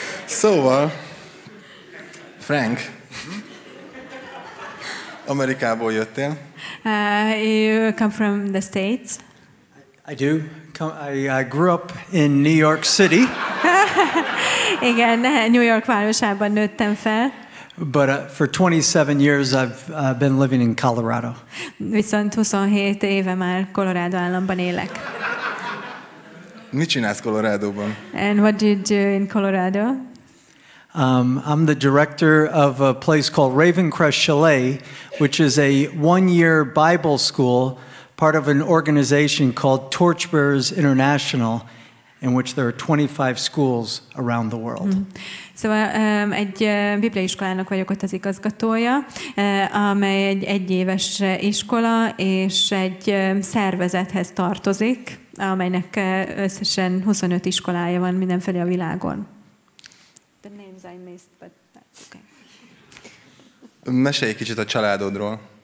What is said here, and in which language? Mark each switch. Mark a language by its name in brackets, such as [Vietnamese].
[Hungarian] Szóval, Frank, Amerikából jöttél. [English] You come from the States? I do. I grew up in New York City. [Hungarian] Igen, New York városában nőttem fel. [English] But for 27 years I've been living in Colorado. [Hungarian] Viszont 27 éve már Colorado államban élek. Mit csinálsz Colorado-ban? [English] And what do you do in Colorado? I'm the director of a place called Ravencrest Chalet, which is a one-year Bible school, part of an organization called Torchbearers International, in which there are 25 schools around the world. [Hungarian] Egy bibliai iskolának vagyok ott az igazgatója, amely egy éves iskola, és egy szervezethez tartozik, amelynek összesen 25 iskolája van mindenfelé a világon. [English] The names I missed, but that's okay. [Hungarian] Mesélj egy kicsit a családodról.